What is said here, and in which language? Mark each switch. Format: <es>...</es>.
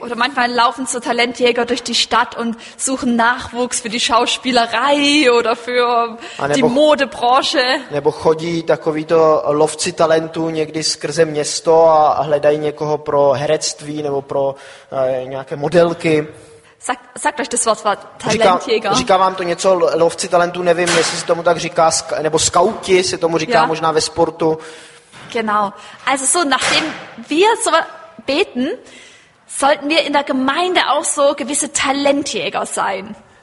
<de>Oder manchmal laufen so Talentjäger durch die Stadt und suchen Nachwuchs für die Schauspielerei oder für die Modebranche.</de> <cs>Nebo chodí takovíto lovci talentů někdy skrze město a hledají někoho pro herectví nebo pro nějaké modelky.</cs> <de>Sagt euch das Wort Talentjäger.</de> <cs>Říká vám to něco, lovci talentů, nevím, jestli se tomu tak říká, nebo skauti se tomu říká, ja, možná ve sportu.</cs> <de>Genau. Also so, nachdem wir so beten, sollten wir in der Gemeinde auch so gewisse Talentjäger sein.</de>